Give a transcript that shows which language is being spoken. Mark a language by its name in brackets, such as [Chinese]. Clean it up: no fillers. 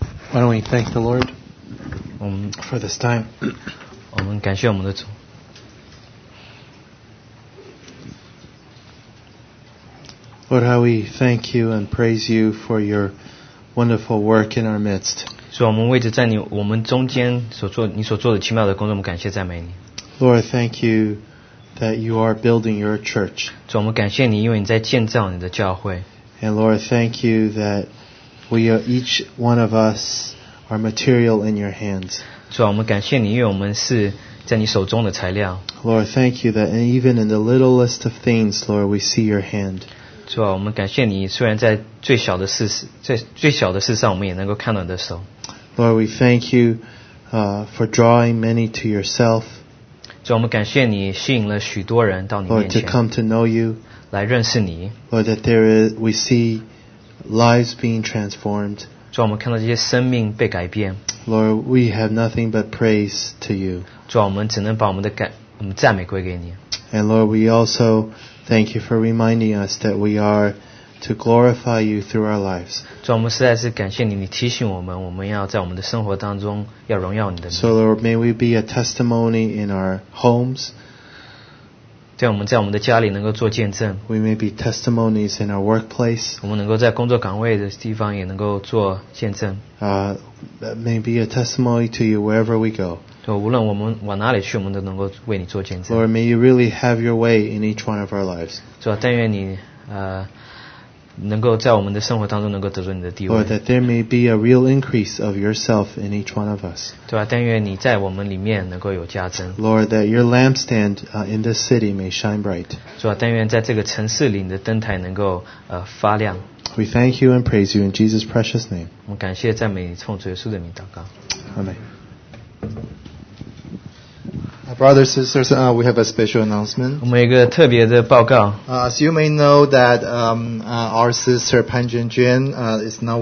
[English] Why don't we thank the Lord for this time? [Chinese] 我们感谢我们的主。 [English] Lord, how we thank you and praise you for your wonderful work in our midst. [Chinese] 所以我们为着在你我们中间所做你所做的奇妙的工作，我们感谢赞美你。 [English] Lord, thank you that you are building your church. [Chinese] 所以我们感谢你，因为你在建造你的教会。 [English] And Lord, thank you that. We are each one of us are material in your hands. [Chinese] 主啊，我们感谢你，因为我们是在你手中的材料。 [English] Lord, thank you that even in the littlest of things, Lord, we see your hand. [Chinese] 主啊，我们感谢你，虽然在最小的事上，我们也能够看到你的手。 [English] Lord, we thank you, for drawing many to yourself. [Chinese] 主啊，我们感谢你，吸引了许多人到你面前。 [English] Lord, to come to know you. [Chinese] 来认识你。 [English] Lord, that there is, we see.Lives being transformed. [Chinese] 主，我们看到这些生命被改变。 [English] Lord, we have nothing but praise to you. [Chinese] 主啊，我们只能把我们的感，我们赞美归给你。 [English] And Lord, we also thank you for reminding us that we are to glorify you through our lives. [Chinese] 主啊，我们实在是感谢你，你提醒我们，我们要在我们的生活当中要荣耀你的名。 [English] So Lord, may we be a testimony in our homes. [Chinese] 对，我们在我们的家里能够做见证。 [English] We may be testimonies in our workplace. [Chinese] 我们能够在工作岗位的地方也能够做见证。 [English] May be a testimony to you wherever we go. [Chinese] 对，无论我们往哪里去，我们都能够为你做见证。 [English] Lord, may you really have your way in each one of our lives. [Chinese] 主啊，但愿你能够在我们的生活当中能够得着你的地位。 [English] Lord, that there may be a real increase of yourself in each one of us. [Chinese] 对吧？但愿你在我们里面能够有加增。 [English] Lord, that your lampstand in this city may shine bright. [Chinese] 主啊，但愿在这个城市里你的灯台能够发亮。 [English] We thank you and praise you in Jesus' precious name. [Chinese] 我们感谢赞美你，奉主耶稣的名祷告。 [English] Amen. Brothers, sisters, we have a special announcement. [Chinese] 我们有一个特别的报告。 [English] As you may know that our sister Pan Jianjian is now